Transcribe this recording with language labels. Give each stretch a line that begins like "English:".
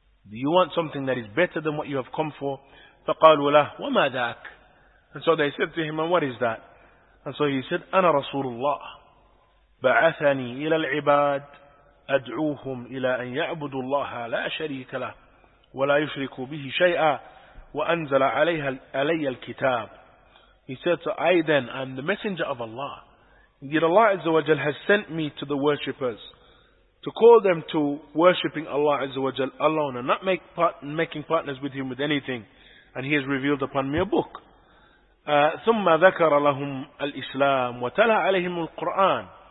English: Do you want something that is better than what you have come for?
Arabic: فَقَالُوا لَهُ وَمَا ذَاكَ.
English: And so they said to him, and what is that? And so he said,
Arabic: أَنَا رَسُولُ اللَّهِ بَعَثَنِي إِلَى الْعِبَادِ أَدْعُوهُمْ إِلَىٰ أَنْ يَعْبُدُوا اللَّهَ لَا شَرِيكَ لَهُ وَلَا يُشْرِكُوا بِهِ شَيْئًا وَأَنْزَلَ عَلَيَّ الْكِتَابِ.
English: He said, so I then am the messenger of Allah. Indeed, Allah Azza wa Jal has sent me to the worshippers to call them to worshipping Allah Azza wa Jal alone and not making partners with Him with anything. And He has revealed upon me a book.
Arabic: ثُمَّ ذَكَرَ لَهُمْ الْإِسْلَامُ وَتَلَى عَلَيْهِمُ الْقُرْآنُ.